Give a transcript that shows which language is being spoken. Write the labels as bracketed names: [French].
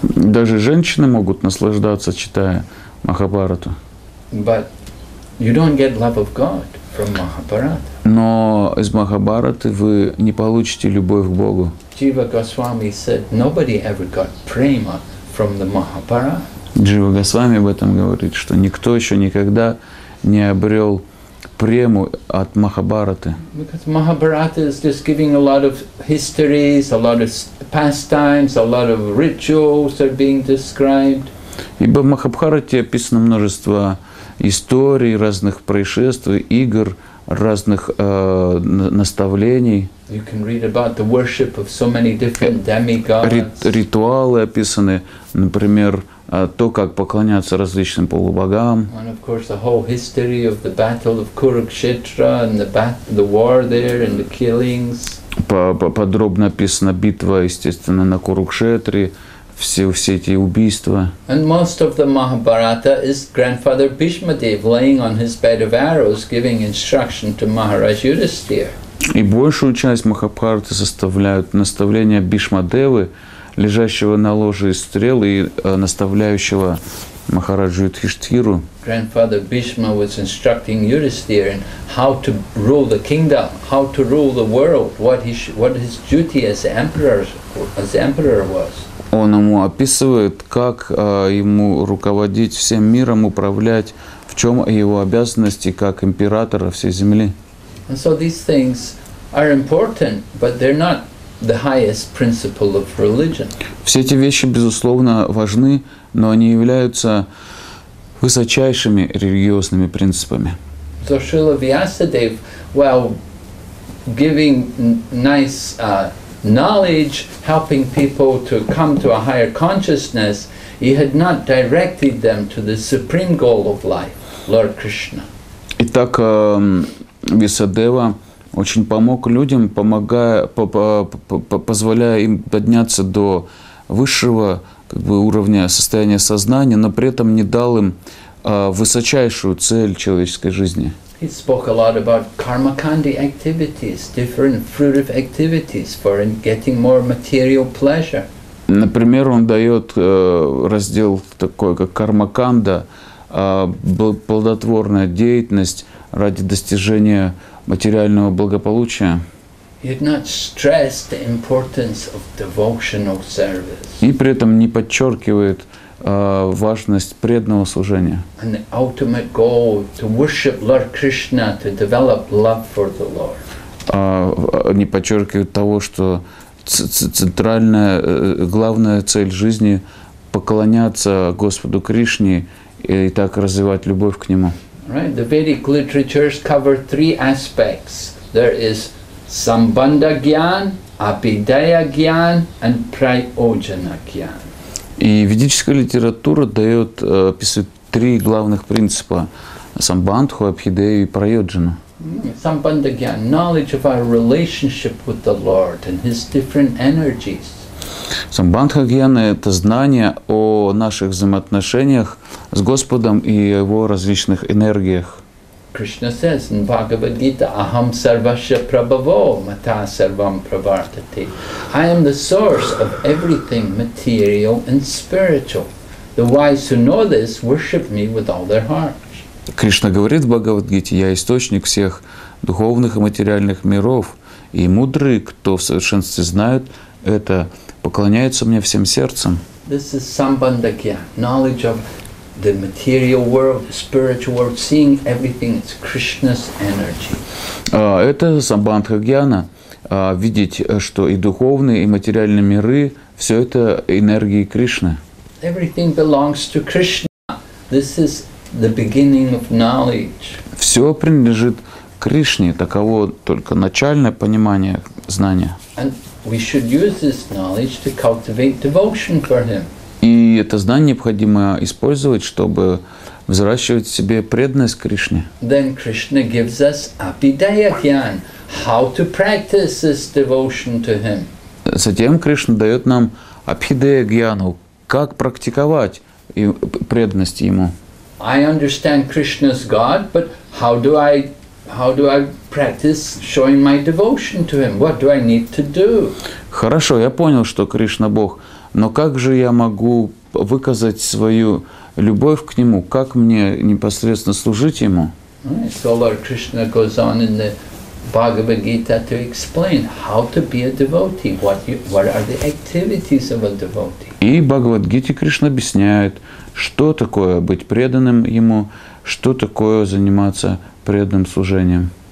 [Russian] Даже женщины могут наслаждаться, читая Махабхарату. [English] But you don't get love of God from Mahabharata. [Russian] Но из Махабхараты вы не получите любовь к Богу. [English] Jiva Goswami said nobody ever got prema from the Mahabharata. [Russian] Джива Госвами об этом говорит, что никто еще никогда не обрел прему от Махабхараты. [English] Because Mahabharata is just giving a lot of histories, a lot of pastimes, a lot of rituals are being described. [Russian] Ибо в Махабхарате описано множество историй, разных происшествий, игр, разных наставлений. [English] You can read about the worship of so many different demigods. [Russian] Ритуалы описаны, например, то, как поклоняться различным полубогам. [English] And of course the whole history of the battle of Kurukshetra and the war there and the killings. [Russian] Подробно описана битва, естественно, на Курукшетре, все эти убийства. [English] And most of the Mahabharata is grandfather Bhishma Dev laying on his bed of arrows giving instruction to Maharaj Yudhisthira. [Russian] И большую часть Махабхараты составляют наставления Бишма Девы, лежащего на ложе из стрел и наставляющего Махараджу Юдхиштхиру. [English] Grandfather Bhishma was instructing Yudhisthira in how to rule the kingdom, how to rule the world, what his duty as emperor was. [Russian] Он ему описывает, как ему руководить всем миром, управлять, в чем его обязанности как императора всей земли. [English] And so these things are important, but they're not the highest principle of religion. [Russian] Все эти вещи, безусловно, важны, но они являются высочайшими религиозными принципами. [English] So Srila Vyasadev, while giving nice knowledge, helping people to come to a higher consciousness, he had not directed them to the supreme goal of life, Lord Krishna. [Russian] Итак, Висадева очень помог людям, позволяя им подняться до высшего уровня состояния сознания, но при этом не дал им высочайшую цель человеческой жизни. [English] He spoke a lot about karmakandi activities, different fruitive activities for getting more material pleasure. [Russian] Например, он дает раздел такой, как кармаканда, плодотворная деятельность ради достижения материального благополучия. [English] He did not stress the importance of devotional service. [Russian] И при этом не подчеркивает важность преданного служения. [English] And the ultimate goal to worship Lord Krishna, to develop love for the Lord. [Russian] Не подчеркивает того, что центральная, главная цель жизни – поклоняться Господу Кришне и так развивать любовь к Нему. [English] Right, the Vedic literatures cover three aspects. There is Sambandha Gyan, Abhidaya Gyan, and Prayojana Gyan. [Russian] И ведическая литература дает, описывает три главных принципа: Самбандху, Абхидею и Прайоджану. [English] Sambandha Gyan, knowledge of our relationship with the Lord and His different energies. [Russian] Самбандха Гьяна – это знание о наших взаимоотношениях с Господом и Его различных энергиях. [English] Krishna says in Bhagavad Gita, [Sanskrit] Aham sarvasya prabhavo mata sarvam pravartate. [English] I am the source of everything material and spiritual. The wise who know this worship me with all their hearts. [Russian] Кришна говорит в Бхагавад Гите, я источник всех духовных и материальных миров, и мудрые, кто в совершенстве знают это, поклоняются мне всем сердцем. [English] This is Sambandha Gyan, knowledge of the material world, the spiritual world, seeing everything is Krishna's energy. [Russian] Это Sambandha Gyana, видеть, что и духовные, и материальные миры, все это энергии Кришны. [English] Everything belongs to Krishna. This is the beginning of knowledge. [Russian] Все принадлежит Кришне, таково только начальное понимание знания. [English] And we should use this knowledge to cultivate devotion for him. [Russian] И это знание необходимо использовать, чтобы взращивать в себе преданность Кришне. [English] Then Krishna gives us Abhidaya Gyan, how to practice this devotion to Him. [Russian] Затем Кришна дает нам Абхидея Гьяну, как практиковать преданность Ему. [English] I understand Krishna is God, but how do I practice showing my devotion to Him? What do I need to do? [Russian] Хорошо, я понял, что Кришна Бог, но как же я могу выказать свою любовь к Нему? Как мне непосредственно служить Ему? [English] So Lord Krishna goes on in the Bhagavad Gita to explain how to be a devotee. What are the activities of a devotee? [Russian] И Бхагавад Гите Кришна объясняет, что такое быть преданным Ему, что такое заниматься преданным служением.